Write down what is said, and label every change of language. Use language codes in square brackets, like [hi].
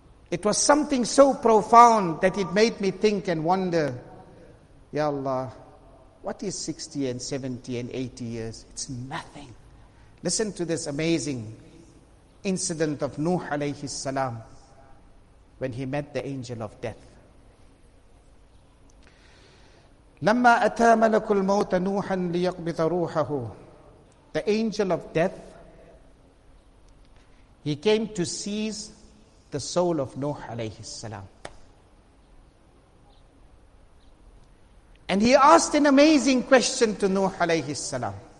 [en] It was something so profound that it made me think and wonder, Ya Allah, what is 60 and 70 and 80 years? It's nothing. Listen to this amazing incident of Nuh alayhi salam when he met the angel of death. [ar] لما أتى ملك الموت نوحا ليقبض روحه. [en] The angel of death, he came to seize the soul of Nuh عليه السلام. And he asked an amazing question to Nuh عليه السلام.